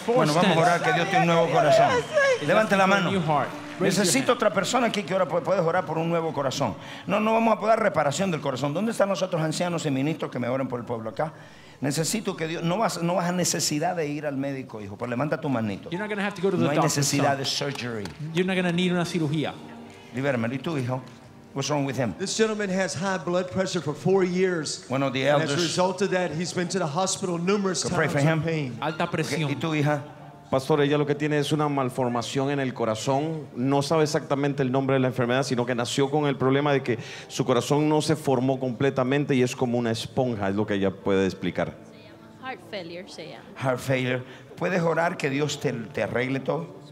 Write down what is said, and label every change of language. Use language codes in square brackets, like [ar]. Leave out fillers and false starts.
[es] Bueno, vamos a orar que Dios te dé un nuevo corazón. Levante la mano. Necesito otra persona aquí que ahora puedes orar por un nuevo corazón. No, no vamos a poder reparación del corazón. ¿Dónde están los otros ancianos y ministros que me oren por el pueblo acá? Necesito que Dios, no vas a necesidad de ir al médico, hijo, pero levanta tu manito. [en] You're not going to have to go to the doctor. [es] No hay necesidad de [en] surgery. You're not going to need [es] una cirugía. Libérmelo, ¿y tú, hijo? [en] What's wrong with him? This gentleman has high blood pressure for 4 years. One of the elders. And as a result of that, he's been to the hospital numerous times. Pray for him. [es] Alta presión. ¿Y tú, hija? Pastor, ella lo que tiene es una malformación en el corazón. No sabe exactamente el nombre de la enfermedad, sino que nació con el problema de que su corazón no se formó completamente y es como una esponja, es lo que ella puede explicar. Se llama [en] heart failure, [es] se llama. [en] Heart failure. [es] ¿Puedes orar que Dios te arregle todo?